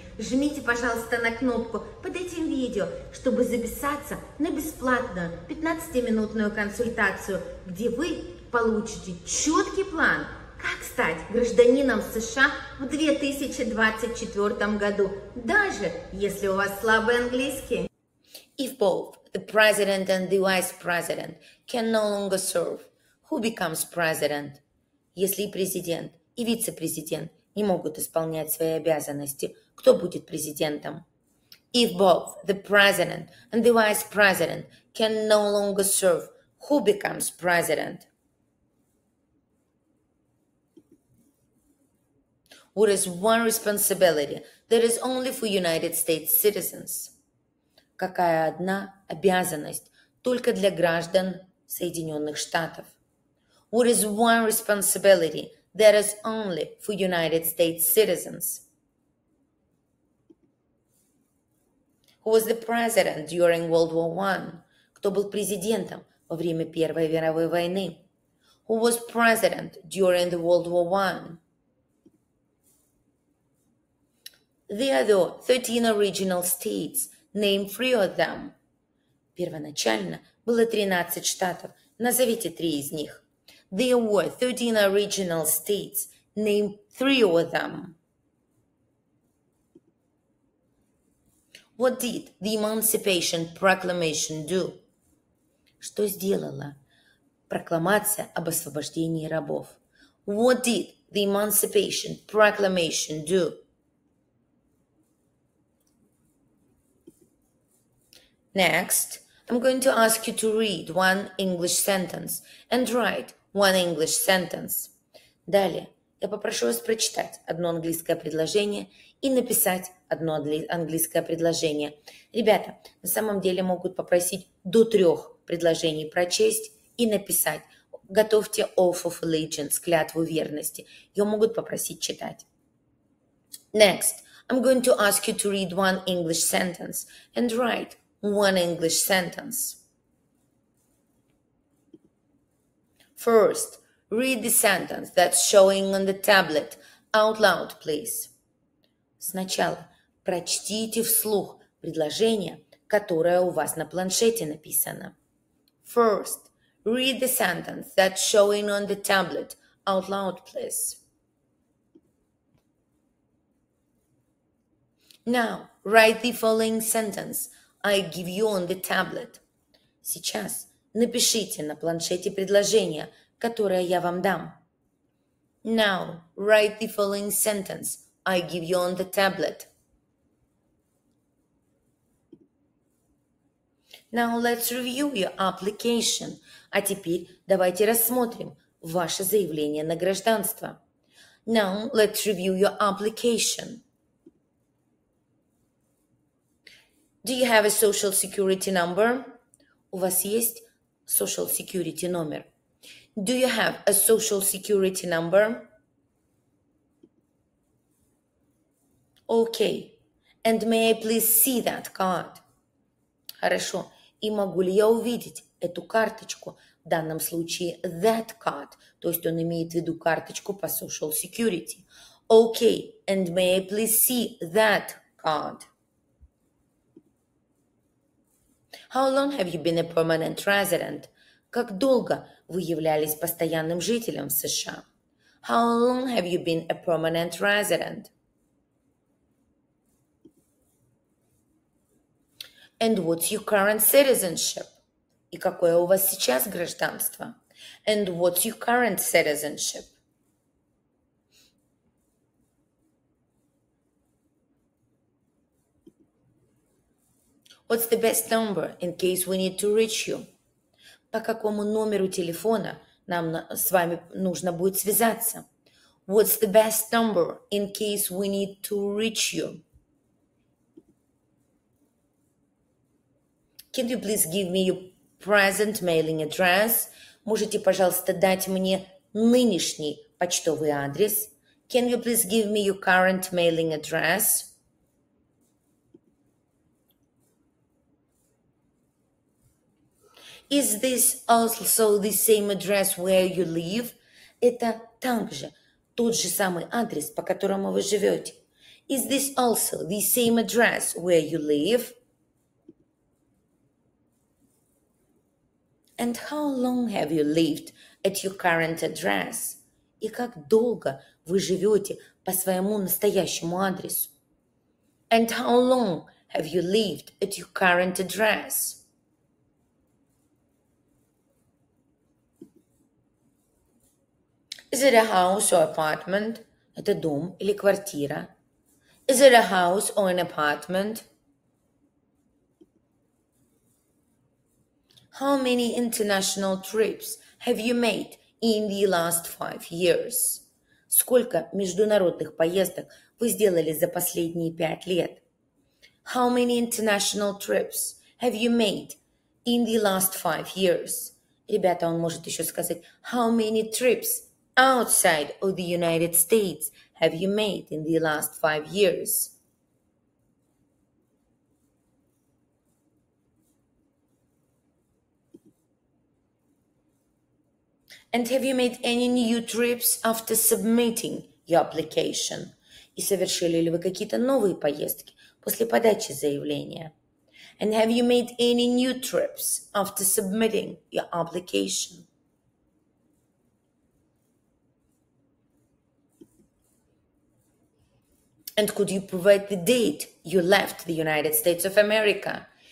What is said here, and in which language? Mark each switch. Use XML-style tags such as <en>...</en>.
<ru>Жмите, пожалуйста, на кнопку под этим видео, чтобы записаться на бесплатную 15-минутную консультацию, где вы получите четкий план, как стать гражданином США в 2024 году, даже если у вас слабый английский.</ru> <en>If both the president and the vice president can no longer serve, who becomes president?</en> <ru>Если президент и вице-президент не могут исполнять свои обязанности, кто будет президентом?</ru> <en>If both the president and the vice president can no longer serve, who becomes president? What is one responsibility that is only for United States citizens?</en> <ru>Какая одна обязанность только для граждан Соединенных Штатов?</ru> <en>What is one responsibility that is only for United States citizens? Who was the president during World War I?</en> <ru>Кто был президентом во время Первой мировой войны?</ru> <en>Who was president during the World War I? The other 13 original states, name three of them.</en> <ru>Первоначально было 13 штатов. Назовите три из них.</ru> <en>There were 13 original states, name three of them. What did the Emancipation Proclamation do?</en> <ru>Что сделала прокламация об освобождении рабов?</ru> <en>What did the Emancipation Proclamation do? Next, I'm going to ask you to read one English sentence and write one English sentence.</en> <ru>Далее, я попрошу вас прочитать одно английское предложение и написать одно английское предложение. Ребята, на самом деле могут попросить до трех предложений прочесть и написать. Готовьте</ru> <en>Oath of Allegiance,</en> <ru>клятву верности. Ее могут попросить читать.</ru> <en>Next, I'm going to ask you to read one English sentence and write one English sentence. First, read the sentence that's showing on the tablet out loud, please.</en> <ru>Сначала прочтите вслух предложение, которое у вас на планшете написано.</ru> <en>First, read the sentence that's showing on the tablet out loud, please. Now, write the following sentence I give you on the tablet.</en> <ru>Сейчас напишите на планшете предложение, которое я вам дам.</ru> <en>Now, write the following sentence I give you on the tablet. Now, let's review your application.</en> <ru>А теперь давайте рассмотрим ваше заявление на гражданство.</ru> <en>Now, let's review your application. Do you have a social security number?</en> <ru>У вас есть social security номер?</ru> <en>Do you have a social security number? Okay. And may I please see that card?</en> <ru>Хорошо. И могу ли я увидеть эту карточку? В данном случае</ru> <en>that card.</en> <ru>То есть он имеет в виду карточку по social security.</ru> <en>Okay. And may I please see that card? How long have you been a permanent resident?</en> <ru>Как долго вы являлись постоянным жителем в США?</ru> <en>How long have you been a permanent resident? And what's your current citizenship?</en> <ru>И какое у вас сейчас гражданство?</ru> <en>And what's your current citizenship? What's the best number in case we need to reach you?</en> <ru>По какому номеру телефона нам с вами нужно будет связаться?</ru> <en>What's the best number in case we need to reach you? Can you please give me your present mailing address?</en> <ru>Можете, пожалуйста, дать мне нынешний почтовый адрес?</ru> <en>Can you please give me your current mailing address? Is this also the same address where you live?</en> <ru>Это также тот же самый адрес, по которому вы живете.</ru> <en>Is this also the same address where you live? And how long have you lived at your current address?</en> <ru>И как долго вы живете по своему настоящему адресу?</ru> <en>And how long have you lived at your current address? Is it a house or apartment?</en> <ru>Это дом или квартира?</ru> <en>Is it a house or an apartment? How many international trips have you made in the last 5 years?</en> <ru>Сколько международных поездок вы сделали за последние 5 лет?</ru> <en>How many international trips have you made in the last 5 years?</en> <ru>Ребята, он может еще сказать,</ru> <en>how many trips outside of the United States have you made in the last 5 years? And have you made any new trips after submitting your application?</en> <ru>И совершили ли вы какие-то новые поездки после подачи заявления?</ru> <en>And have you made any new trips after submitting your application? And could you provide the date you left the United States of America?</en>